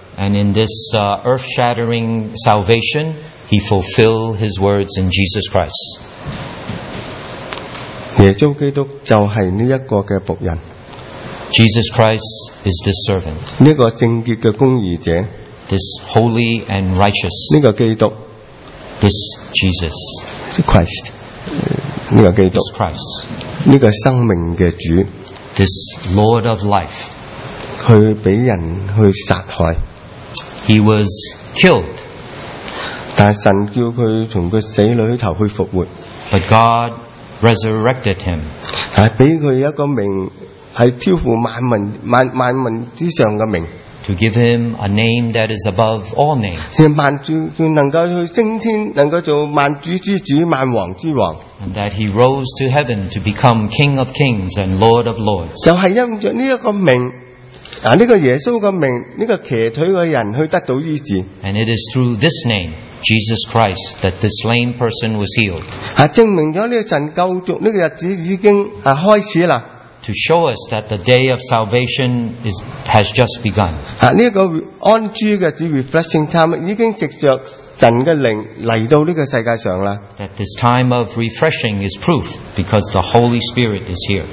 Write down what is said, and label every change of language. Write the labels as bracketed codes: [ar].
[en] and in this earth-shattering salvation, he fulfilled his words in Jesus Christ. [zh] 耶稣基督就是这个仆人, [en] Jesus Christ is this servant, [zh] 这个正洁的公义者, [en] this holy and righteous, [zh] 这个基督, [en] this Jesus, [zh] Christ, 这个基督, [en] this Christ, [zh] 这个生命的主, [en] this Lord of life, [zh] 他被人去杀害, [en] he was killed, [zh] 但神叫他从他死里头去复活, [en] but God resurrected him, [zh] 给他一个名, 是超乎万民之上的名, [en] to give him a name that is above all names, [zh] 能够去升天, 能够做万主之主, 万王之王, [en] and that he rose to heaven to become King of Kings and Lord of Lords. [zh] 就是因着这个名, 啊, 这个耶稣的名, 这个瘸腿的人去得到医治, [en] and it is through this name, Jesus Christ, that this lame person was healed. [zh] 啊, 证明了这个神救赎这个日子已经开始了, [en] to show us that the day of salvation has just begun. [zh] 啊, 这个安居的, [en] refreshing time, [zh] 已经藉着神的灵来到这个世界上了, [en] that this time of refreshing is proof because the Holy Spirit is here.